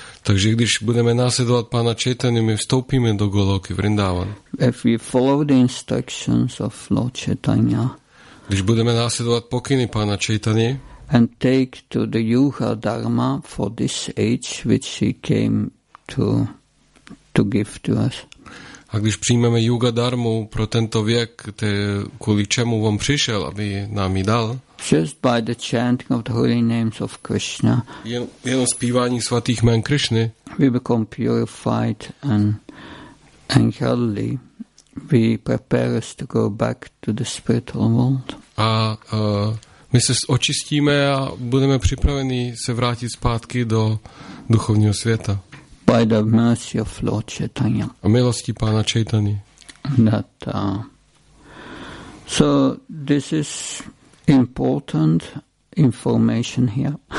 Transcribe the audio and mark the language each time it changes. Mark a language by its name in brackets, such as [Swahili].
[Czech] Takže když budeme následovať pána Chaitanya, my vstoupíme do Goloky Vrindavan. [English] If we follow the instructions of Lord Chaitanya. [Czech] Když budeme následovať pokyny pána Chaitanya. [English] And take to the Yuga Dharma for this age which he came to give to us. [Czech] A když přijmeme Yuga Dharmu pro tento věk, to kvůli čemu on přišel, aby nám ji dal? [English] Just by the chanting of the holy names of Krishna. [Czech] Jenom zpívání svatých jmen Krishny. [English] We become purified and godly. We prepare us to go back to the spiritual world. [Czech] A my se očistíme a budeme připraveni se vrátit zpátky do duchovního světa. [English] By the mercy of Lord Chaitanya. [Czech] A milosti pána Chaitany. [English] That, so this is important information here.